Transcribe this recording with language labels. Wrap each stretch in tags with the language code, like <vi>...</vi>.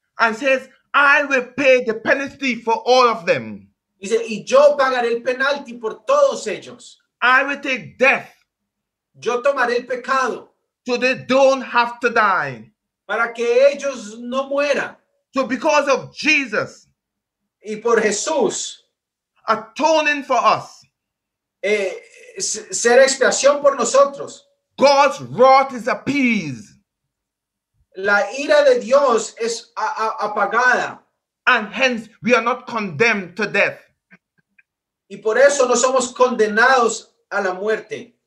<en>And says, I will pay the penalty for all of them.</en> <es>Dice, y yo pagaré el penalti por todos ellos.</es> <en>I will take death.</en> <es>Yo tomaré el pecado.</es> <en>So they don't have to die.</en> <es>Para que ellos no mueran.</es> <en>So because of Jesus.</en> <es>Y por Jesús.</es> <en>Atoning for us.</en> <es>Ser expiación por nosotros.</es> <en>God's wrath is appeased.</en> <es>La ira de Dios es apagada.</es> <en>And hence we are not condemned to death.</en> <es>Y por eso no somos condenados a la muerte.</es>